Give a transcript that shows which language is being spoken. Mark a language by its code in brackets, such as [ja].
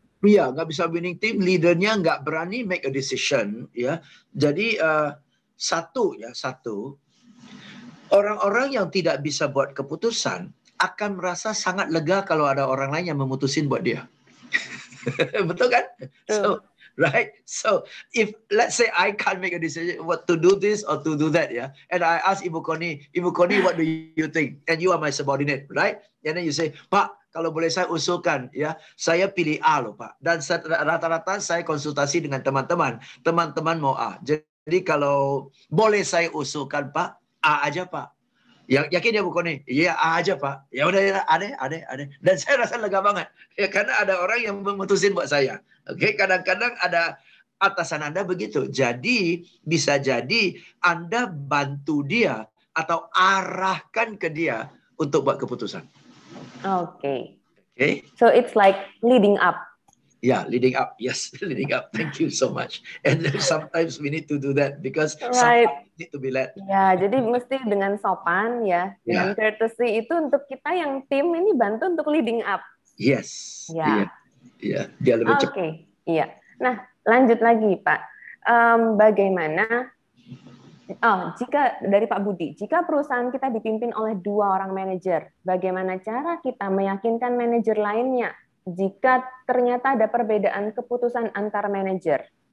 [id] Iya, nggak bisa winning team, leadernya nggak berani [en] make a decision. [id] Ya. Jadi satu, orang-orang yang tidak bisa buat keputusan, akan merasa sangat lega kalau ada orang lain yang memutusin buat dia. Betul kan? [en] So, right? So, if let's say I can't make a decision what to do this or to do that, yeah. And I ask Ibu Koni, what do you think? And you are my subordinate, right? And then you say, [id] "Pak, kalau boleh saya usulkan, ya, saya pilih A loh, Pak." Dan rata-rata saya konsultasi dengan teman-teman, teman-teman mau A. Jadi kalau boleh saya usulkan, Pak, A aja, Pak. Yakin ya Bu Koni? Iya aja Pak. Ya udah ya, ada. Dan saya rasa lega banget. Ya karena ada orang yang memutusin buat saya. Oke, okay? Kadang-kadang ada atasan Anda begitu. Jadi bisa jadi Anda bantu dia, atau arahkan ke dia untuk buat keputusan. [en] Okay. So it's like leading up. Yeah, leading up. Yes, leading up. Thank you so much. And sometimes we need to do that because right. Sometimes need to be led. [id] Yeah, jadi mesti dengan sopan ya. Yeah. Dengan courtesy itu untuk kita yang tim ini bantu untuk [en] leading up. Yes. Yeah. [id] Dia lebih cepat. Okay. Iya. Nah, lanjut lagi Pak. Bagaimana? Jika dari Pak Budi, jika perusahaan kita dipimpin oleh dua orang manajer, bagaimana cara kita meyakinkan manajer lainnya jika ternyata ada perbedaan keputusan antar manajer?